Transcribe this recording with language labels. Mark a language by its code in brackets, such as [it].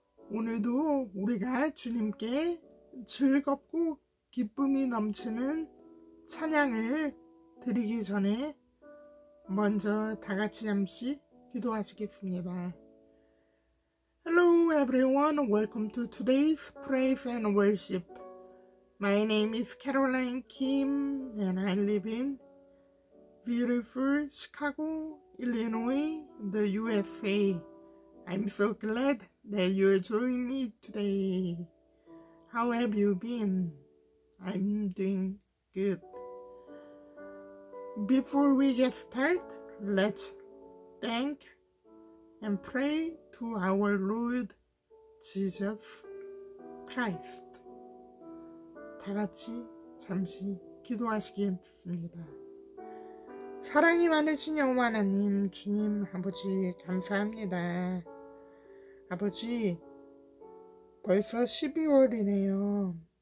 [ko] 오늘도 우리가 주님께 즐겁고 기쁨이 넘치는 찬양을 드리기 전에 먼저 다같이 잠시 기도하시겠습니다. [en] Hello everyone, welcome to today's praise and worship. My name is Caroline Kim and I live in beautiful Chicago, Illinois, the USA. I'm so glad that you're joining me today. How have you been? I'm doing good. Before we get started, let's thank and pray to our Lord Jesus Christ. [ko] 다 같이 잠시 기도하시겠습니다. 사랑이 많으신 여호와 하나님, 주님, 아버지, 감사합니다. 아버지, 벌써 12월이네요.